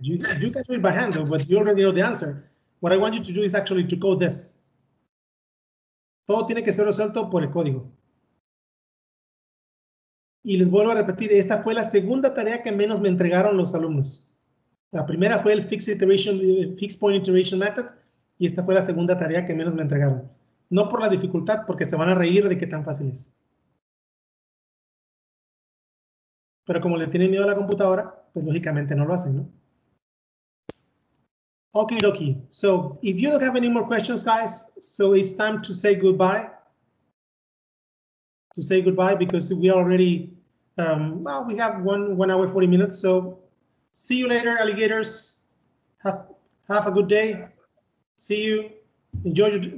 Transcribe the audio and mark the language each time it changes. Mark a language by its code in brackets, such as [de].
[en] You can do it by hand, but you already know the answer. What I want you to do is actually to code this. [es] Todo tiene que ser resuelto por el código. Y les vuelvo a repetir, esta fue la segunda tarea que menos me entregaron los alumnos. La primera fue el fixed point iteration method y esta fue la segunda tarea que menos me entregaron. No por la dificultad, porque se van a reír de qué tan fácil es. Pero como le tienen miedo a la computadora, pues lógicamente no lo hacen, ¿no? [en] Okie dokie. So, if you don't have any more questions, guys, so it's time to say goodbye. To say goodbye because we already, we have 1 hour 40 minutes. So, see you later, alligators. Have a good day. See you. Enjoy the rest